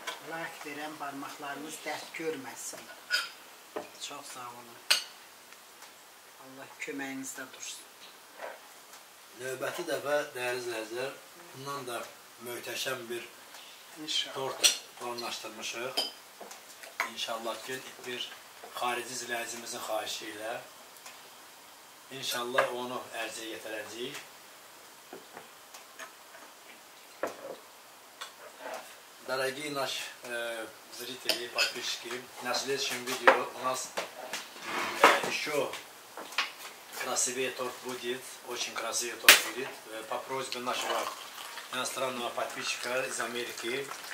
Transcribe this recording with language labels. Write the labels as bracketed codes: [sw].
[tr] Layık veren parmaklarınız dert görmesin. Çok sağ olun. Allah kömeğinizde dursun. [az] Növbəti dəfə, dəyərli izləyicilər, bundan da möhtəşəm bir İnşallah. Tort planlaşdırmışıq. İnşallah ki, bir xarici izləyicimizin xahişi ilə İnşallah onu ərziyə yetirəcəyik. [ru] Дорогие наши зрители, подписчики, на следующем видео у нас еще красивее торт будет, очень красивее торт будет. По просьбе нашего иностранного подписчика из Америки.